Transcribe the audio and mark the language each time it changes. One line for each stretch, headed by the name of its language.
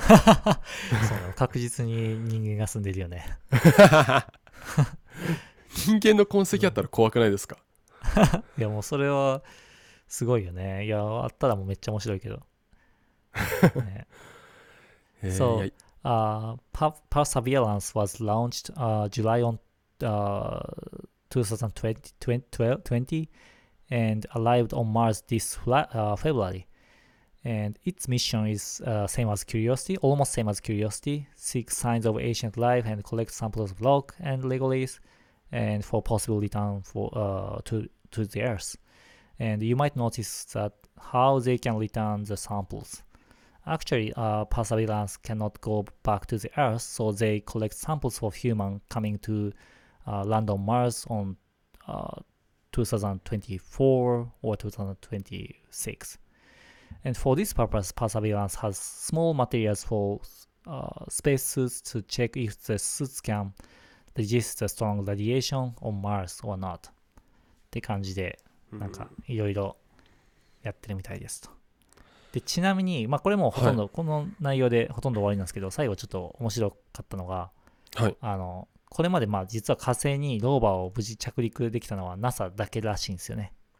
Japanese: そう、確実に人間が住んでるよね。人間の痕跡あったら怖くないですか。いやもうそれはすごいよね。いやあったらもうめっちゃ面白いけど、ね。
English: そう、Perseverance was launched July on 2020 and arrived on Mars this February. And its mission is same as Curiosity, almost same as Curiosity. Seek signs of ancient life and collect samples of rock and regolith and for possible return for to the Earth. And you might notice that how they can return the samples. Actually, Perseverance cannot go back to the Earth, so they collect samples for human coming to land on Mars on 2024 or 2026. And for this purpose, Perseverance has small materials for spacesuits to check if the suits can resist the strong radiation on Mars or not.
Japanese: って感じで、なんかいろいろやってるみたいですと。でちなみに、まあ、これもほとんど、はい、この内容でほとんど終わりなんですけど、最後ちょっと面白かったのが、はい、あのこれまでまあ実は火星にローバーを無事着陸できたのは NASA だけらしいんですよね。